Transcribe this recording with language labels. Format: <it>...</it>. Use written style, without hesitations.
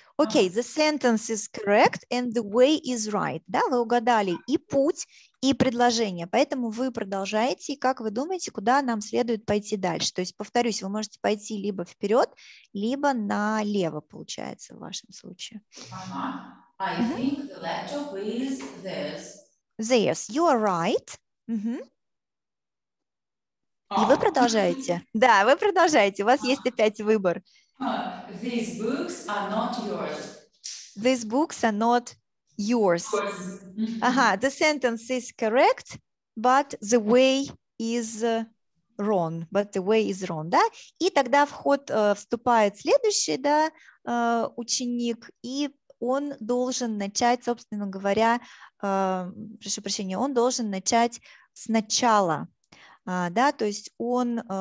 <en>Okay, the sentence is correct and the way is right.</en> <ru>Да, вы угадали и путь, и предложение. Поэтому вы продолжаете. И как вы думаете, куда нам следует пойти дальше? То есть, повторюсь, вы можете пойти либо вперед, либо налево, получается, в вашем случае.</ru> <en>Uh-huh. I think the laptop is this. This. You are right. Uh-huh.</en> <ru>И вы продолжаете. Да, вы продолжаете. У вас есть опять выбор.</ru> <en>These books are not yours. These books are not yours. Ага, the sentence is correct, but the way is wrong. But the way is wrong, да?</en> <ru>И тогда в ход вступает следующий, да, ученик, и он должен начать, собственно говоря, прошу прощения, он должен начать сначала, да, то есть он...</ru>